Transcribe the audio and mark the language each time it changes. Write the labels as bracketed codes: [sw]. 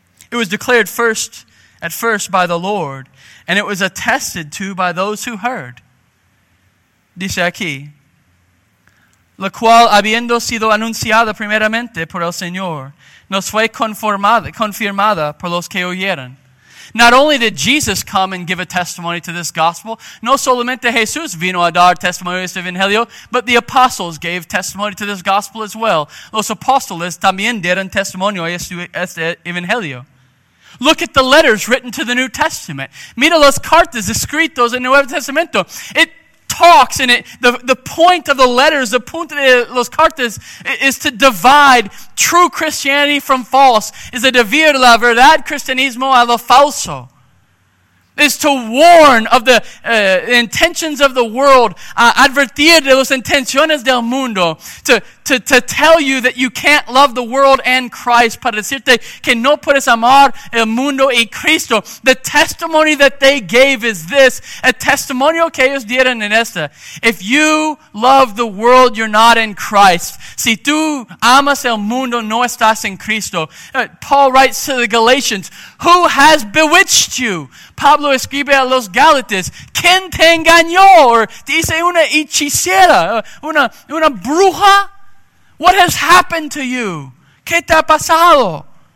[en] It was declared at first by the Lord, and it was attested to by those who heard. [es] Dice aquí, la cual habiendo sido anunciada primeramente por el Señor, nos fue confirmada por los que oyeron. [en] Not only did Jesus come and give a testimony to this gospel, [es] no solamente Jesús vino a dar testimonio de este evangelio, [en] but the apostles gave testimony to this gospel as well. [es] Los apóstoles también dieron testimonio a este evangelio. [en] Look at the letters written to the New Testament. [es] Mira las cartas escritas en el Nuevo Testamento. [en] It talks and the point of the letters, the [es] punto de las cartas, [en] is to divide true Christianity from false, is to [es] dividir la verdad cristianismo a lo falso, [en] is to warn of the intentions of the world, [es] advertir de las intenciones del mundo, [en] to tell you that you can't love the world and Christ, [es] para decirte que no puedes amar el mundo y Cristo. [en] The testimony that they gave is this, [es] a testimonio que ellos dieron en esta. [en] If you love the world, you're not in Christ. [es] Si tú amas el mundo, no estás en Cristo. [en] Paul writes to the Galatians, who has bewitched you? [es] Pablo escribe a los Gálatas, ¿quién te engañó? Dice una hechicera, una bruja. [en] What has happened to you? [es] ¿Qué te ha pasado?